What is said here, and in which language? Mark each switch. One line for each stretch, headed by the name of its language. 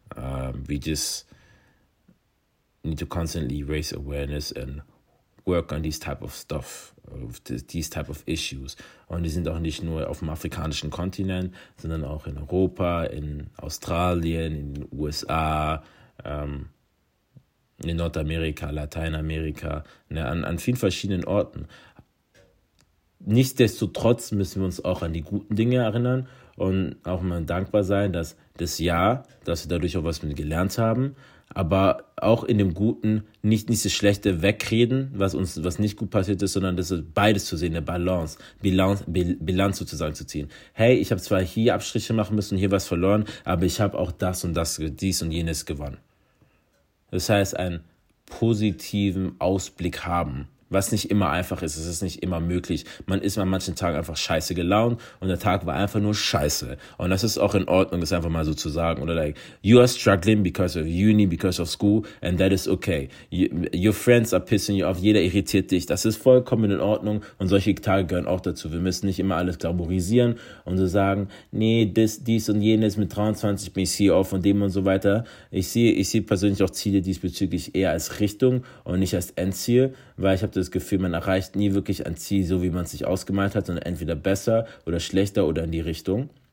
English: We just need to constantly raise awareness and work on these type of stuff, of these type of issues.
German: Und die sind auch nicht nur auf dem afrikanischen Kontinent, sondern auch in Europa, in Australien, in den USA, in Nordamerika, Lateinamerika, ne, an vielen verschiedenen Orten. Nichtsdestotrotz müssen wir uns auch an die guten Dinge erinnern und auch mal dankbar sein, dass das Jahr, dass wir dadurch auch was mit gelernt haben, aber auch in dem Guten nicht das Schlechte wegreden, was nicht gut passiert ist, sondern das ist beides zu sehen, eine Balance, Bilanz sozusagen zu ziehen. Hey, ich habe zwar hier Abstriche machen müssen, hier was verloren, aber ich habe auch das und das, dies und jenes gewonnen. Das heißt, einen positiven Ausblick haben, was nicht immer einfach ist, es ist nicht immer möglich. Man ist an manchen Tagen einfach scheiße gelaunt und der Tag war einfach nur scheiße. Und das ist auch in Ordnung, das einfach mal so zu sagen. Oder
English: like, you are struggling because of uni, because of school, and that is okay. Your friends are pissing you off,
German: jeder irritiert dich. Das ist vollkommen in Ordnung und solche Tage gehören auch dazu. Wir müssen nicht immer alles glamourisieren und so sagen, nee, dies und jenes, mit 23 bin ich CEO von dem und so weiter. Ich sehe persönlich auch Ziele diesbezüglich eher als Richtung und nicht als Endziel, weil ich habe das Gefühl, man erreicht nie wirklich ein Ziel, so wie man es sich ausgemalt hat, sondern entweder besser oder schlechter oder in die Richtung.